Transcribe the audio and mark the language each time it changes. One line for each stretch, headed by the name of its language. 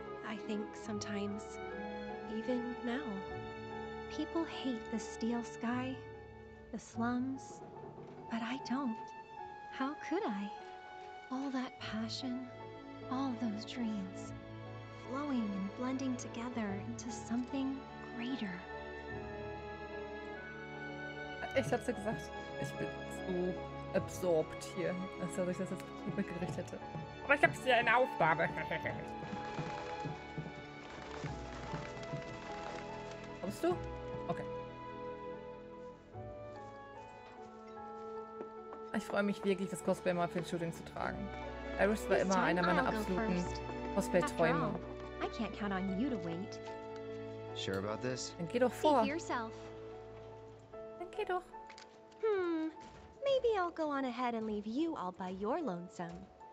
English: I think sometimes, even now, people hate the steel sky, the slums, but I don't. How could I? All that passion, all those dreams, flowing and blending together into something greater.
German: Ich hab's ja gesagt, ich bin so absorbed hier, als ob ich das jetzt mitgerichtet hätte. Aber ich hab's ja in Aufgabe. Kommst du? Okay. Ich freue mich wirklich, das Cosplay mal für ein Shooting zu tragen. Aris war immer einer meiner absoluten Cosplay-Träume. Dann geh doch vor.
English: Hm, maybe I'll go on ahead and leave you all by your lonesome.